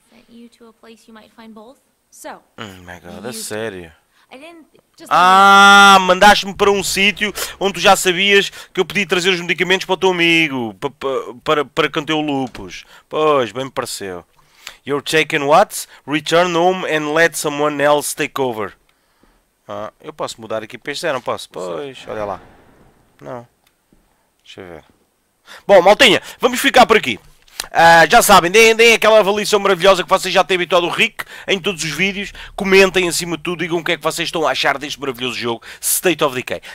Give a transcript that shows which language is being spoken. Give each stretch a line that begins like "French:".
English: You to a place you might find both. So, oh my god, that's serious.
Portuguese: Ah, mandaste-me para um sítio onde tu já sabias que eu podia trazer os medicamentos para o teu amigo, para que não tenha o lúpus. Pois, bem me pareceu.
English: You're taking what? Return home and let someone else take over.
Portuguese: Ah, eu posso mudar aqui para este, não posso? Pois, olha lá. Não. Deixa eu ver. Bom, maltinha, vamos ficar por aqui. Já sabem, deem aquela avaliação maravilhosa que vocês já têm habituado o Rick em todos os vídeos. Comentem acima de tudo, digam o que é que vocês estão a achar deste maravilhoso jogo, State of Decay.